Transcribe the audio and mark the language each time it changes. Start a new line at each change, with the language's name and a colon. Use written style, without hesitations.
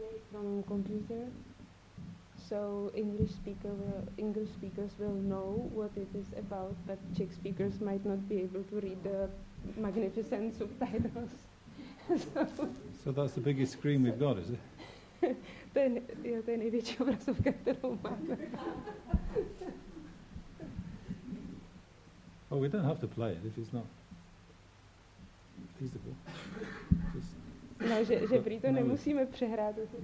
English: From computer. So English speakers will know what it is about, but Czech speakers might not be able to read the magnificent subtitles. So that's the biggest screen we've got, is it?
Czech: To je největší obrazovka, kterou máme.
English: Oh, we don't have to play it if it's not feasible. Just
Czech: No, že prý to nemusíme přehrát.